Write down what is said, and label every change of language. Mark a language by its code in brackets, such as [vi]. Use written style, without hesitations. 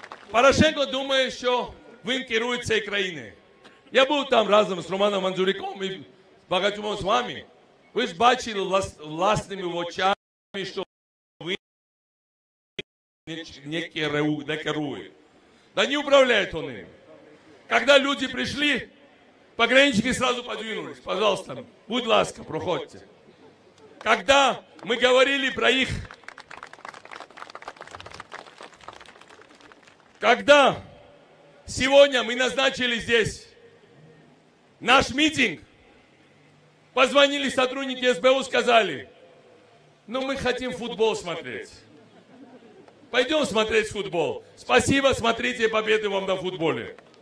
[uk] Порошенко думає, що він керує цією країною. Я був там разом з Романом Мандзюриком і багатьом з вами. Ви ж бачили власними очами, що він не керує, не керує. Да не управляють вони. [ru] Когда люди [uk] прийшли, [ru] пограничники сразу подвинулись. Пожалуйста, [uk] будь ласка, проходьте. [ru] Когда [uk] ми говорили про їх... [ru] Когда сегодня мы назначили здесь наш митинг, позвонили сотрудники СБУ, сказали, ну мы хотим футбол смотреть. Пойдем смотреть футбол. Спасибо, смотрите, победы вам на футболе.